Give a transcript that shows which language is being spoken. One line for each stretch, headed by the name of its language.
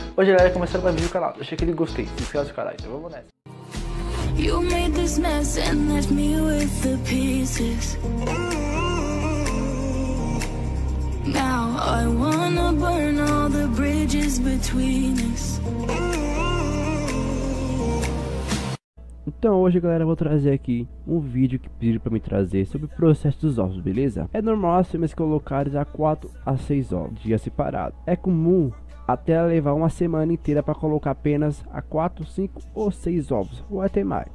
Portuguese: Hoje galera, começando mais um vídeo no canal. Deixa aquele gostei, se inscreve no canal, então vamos nessa.
English: You made this mess and left me with the pieces. Now I wanna burn all the bridges between us.
Portuguese: Então hoje, galera, eu vou trazer aqui um vídeo que pediram pra me trazer sobre o processo dos ovos, beleza? É normal as fêmeas colocarem a 4 a 6 ovos, dia separado. É comum até levar uma semana inteira para colocar apenas a 4, 5 ou 6 ovos, ou até mais.